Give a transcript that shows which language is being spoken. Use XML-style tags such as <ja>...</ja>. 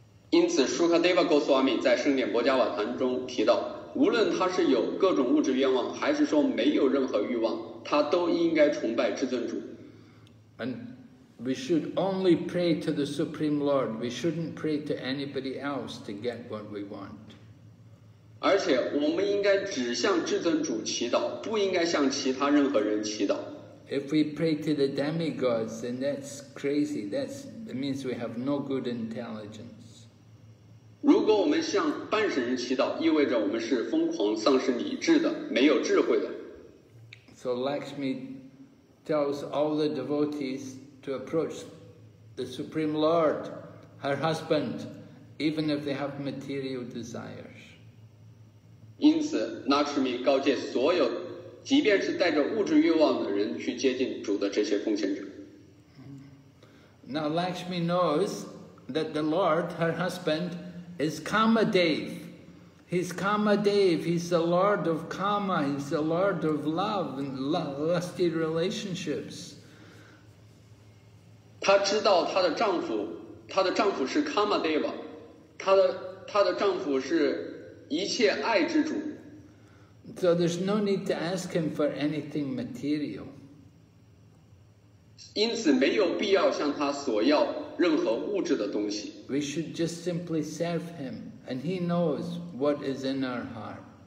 <zh>因此 Sukadeva Goswami 在圣典薄伽瓦坛中提到，无论他是有各种物质愿望，还是说没有任何欲望，他都应该崇拜至尊主。</zh> <en>And we should only pray to the Supreme Lord. We shouldn't pray to anybody else to get what we want.</en> <zh>而且我们应该只向至尊主祈祷，不应该向其他任何人祈祷。</zh> <en>If we pray to the demigods, then that's crazy. That means we have no good intelligence.</en> <zh>如果我们向半神人祈祷，意味着我们是疯狂、丧失理智的，没有智慧的。</zh> <en>So Lakshmi tells all the devotees to approach the Supreme Lord, her husband, even if they have material desires.</en> <zh>因此 ，Lakshmi 告诫所有，即便是带着物质欲望的人去接近主的这些奉献者。</zh> <en>Now Lakshmi knows that the Lord, her husband, is Kamadev. He's Kamadev, he's the Lord of Kama, he's the Lord of love and lusty relationships.</en> <zh>她知道她的丈夫是 Kamadev, 她的丈夫是一切爱之主。</zh> <en>So there's no need to ask him for anything material.</en> <zh>因此没有必要向他索要任何物质的东西。</zh> <en>We should just simply serve him, and he knows what is in our heart.</en>